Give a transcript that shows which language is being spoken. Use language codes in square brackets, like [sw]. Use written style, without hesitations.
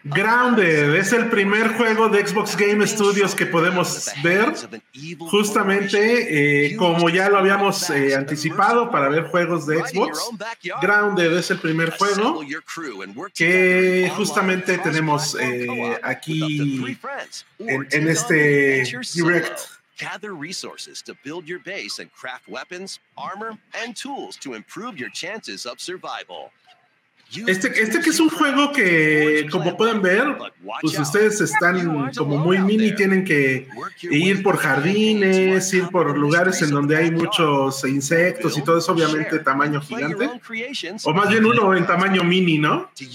[es] Grounded es el primer juego de Xbox Game Studios que podemos ver, justamente como ya lo habíamos anticipado para ver juegos de Xbox. Grounded es el primer juego que justamente tenemos aquí en este Direct. [en] Gather resources to build your base and craft weapons, armor, and tools to improve your chances of survival. [es] Este que es un juego que, como pueden ver, pues ustedes están como muy mini, tienen que ir por jardines, ir por lugares en donde hay muchos insectos y todo eso, obviamente, tamaño gigante. O más bien uno en tamaño mini, ¿no?